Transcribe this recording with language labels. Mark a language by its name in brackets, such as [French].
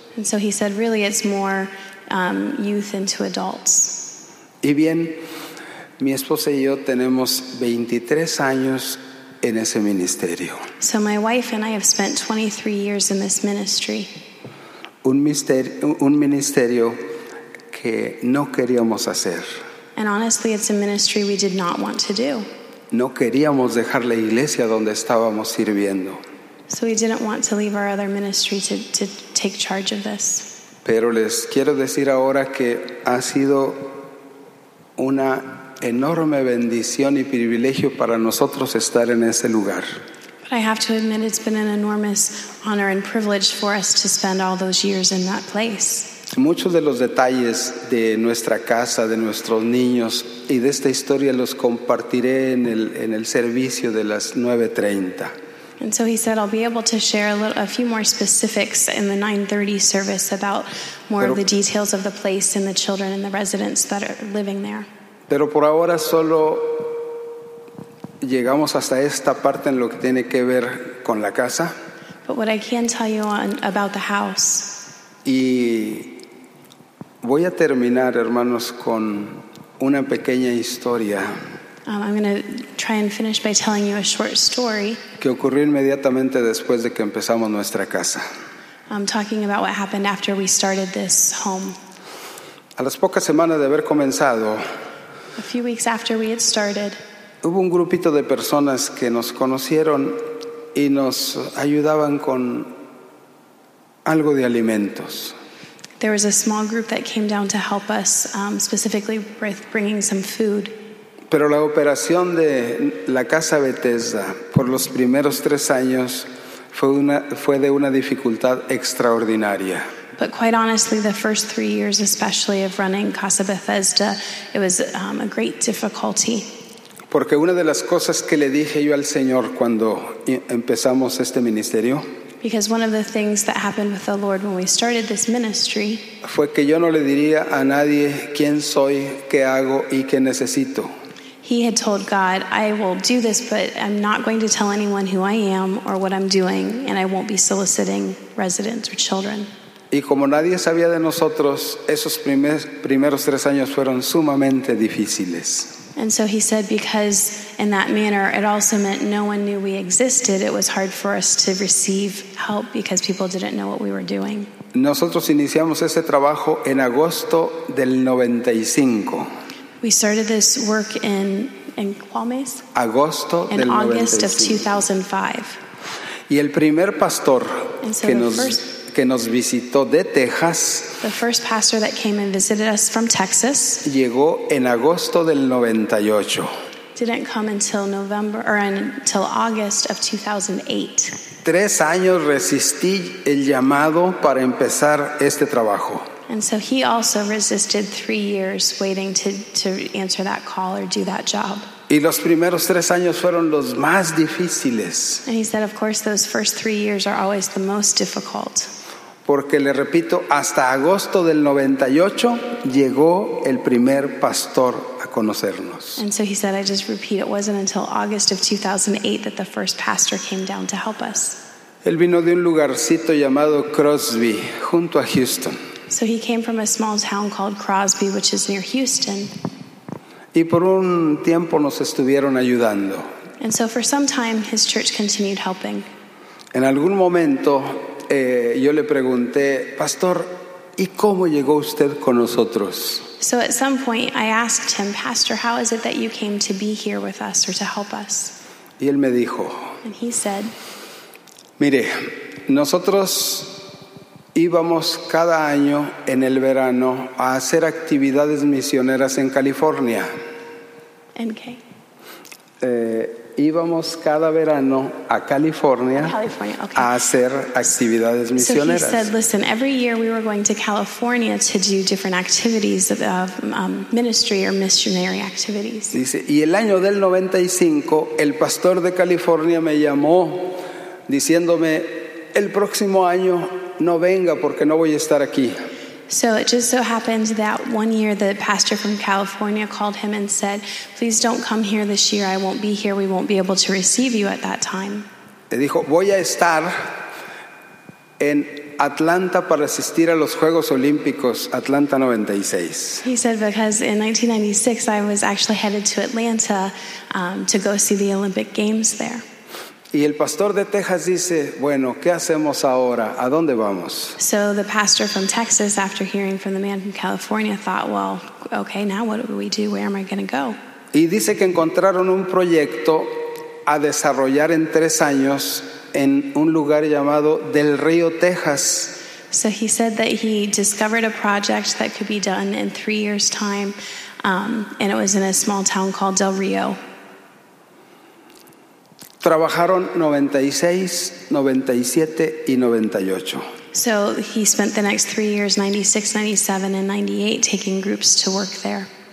[English] And so he said, really, it's more youth into adults. [Spanish] Y bien, mi esposa y yo tenemos 23 años en ese ministerio. [English] So my wife and I have spent 23 years in this ministry. [Spanish] Un ministerio que no queríamos hacer. [English] And honestly, it's a ministry we did not want to do. [Spanish] No queríamos dejar la iglesia donde estábamos sirviendo. [English] So we didn't want to leave our other ministry to take charge of this. [Spanish] Pero les quiero decir ahora que ha sido una enorme bendición y privilegio para nosotros estar en ese lugar. [English] But I have to admit it's been an enormous honor and privilege for us to spend all those years in that place. [Spanish] Muchos de los detalles de nuestra casa, de nuestros niños y de esta historia los compartiré en el servicio de las 9:30. [English] And so he said, I'll be able to share a few more specifics in the 9:30 service about more of the details of the place and the children and the residents that are living there. [Spanish] Pero por ahora solo llegamos hasta esta parte en lo que tiene que ver con la casa. [English] But what I can tell you about the house. [Spanish] Y voy a terminar, hermanos, con una pequeña historia. [English] I'm going to try and finish by telling you a short story. [Spanish] Que ocurrió inmediatamente después de que empezamos nuestra casa. [English] I'm talking about what happened after we started this home. [Spanish] A las pocas semanas de haber comenzado. [English] A few weeks after we had started. [Spanish] Hubo un grupito de personas que nos conocieron y nos ayudaban con algo de alimentos. [English] There was a small group that came down to help us, specifically with bringing some food. [Spanish] Pero la operación de la Casa Bethesda por los primeros 3 años fue de una dificultad extraordinaria. [English] But quite honestly, the first 3 years, especially of running Casa Bethesda, it was a great difficulty. [Spanish] Porque una de las cosas que le dije yo al Señor cuando empezamos este ministerio. [English] Because one of the things that happened with the Lord when we started this ministry. [Spanish] Fue que yo no le diría a nadie quién soy, qué hago y qué necesito. [English] He had told God, I will do this, but I'm not going to tell anyone who I am or what I'm doing, and I won't be soliciting residents or children. [Spanish] Y como nadie sabía de nosotros, esos primeros 3 años fueron sumamente difíciles. [English] And so he said, because in that manner, it also meant no one knew we existed. It was hard for us to receive help because people didn't know what we were doing. [Spanish] Nosotros iniciamos ese trabajo en agosto del 95. [English] We started this work in Guamés. [Spanish] Agosto [English] in [Spanish] del [English] August [Spanish] 95. [English] Of 2005. [Spanish] Y el primer pastor que nos visitó de Texas. [English] The first pastor that came and visited us from Texas. [Spanish] Llegó en agosto del 98. [English] Didn't come until November or until August of 2008. [Spanish] 3 años resistí el llamado para empezar este trabajo. [English] And so he also resisted 3 years waiting to answer that call or do that job. [Spanish] Y los primeros 3 años fueron los más difíciles. [English] And he said, of course, those first 3 years are always the most difficult. [Spanish] Porque le repito, hasta agosto del 98 llegó el primer pastor a conocernos. [English] And so he said, I just repeat, it wasn't until August of 2008 that the first pastor came down to help us. [Spanish] Él vino de un lugarcito llamado Crosby, junto a Houston. [English] So he came from a small town called Crosby, which is near Houston. [Spanish] Y por un tiempo nos estuvieron ayudando. [English] And so for some time, his church continued helping. [Spanish] En algún momento, yo le pregunté, Pastor, ¿y cómo llegó usted con nosotros? [English] So at some point, I asked him, Pastor, how is it that you came to be here with us or to help us? [Spanish] Y él me dijo, [English] and he said, [Spanish] mire, nosotros íbamos cada año en el verano a hacer actividades misioneras en California. ¿En qué? íbamos cada verano a California, California, a hacer actividades misioneras. [English] So he said, listen, every year we were going to California to do different activities of ministry or missionary activities. [Spanish] Dice, y el año del 95, el pastor de California me llamó diciéndome, el próximo año no venga porque no voy a estar aquí. [English] So it just so happened that one year the pastor from California called him and said, please don't come here this year, I won't be here, we won't be able to receive you at that time. [Spanish] Le dijo, voy a estar en Atlanta para asistir a los Juegos Olímpicos, Atlanta 96. [English] He said, because in 1996 I was actually headed to Atlanta to go see the Olympic Games there. [Spanish] Y el pastor de Texas dice, bueno, ¿qué hacemos ahora? ¿A dónde vamos? [English] So the pastor from Texas, after hearing from the man from California, thought, well, okay, now what do we do? Where am I going to go? [Spanish] Y dice que encontraron un proyecto a desarrollar en 3 años en un lugar llamado Del Río, Texas. [English] So he said that he discovered a project that could be done in 3 years' time, and it was in a small town called Del Río. [Spanish] Trabajaron 96, 97 y 98. [English] So he spent the next 3 years, 96, 97, and 98, taking groups to work there.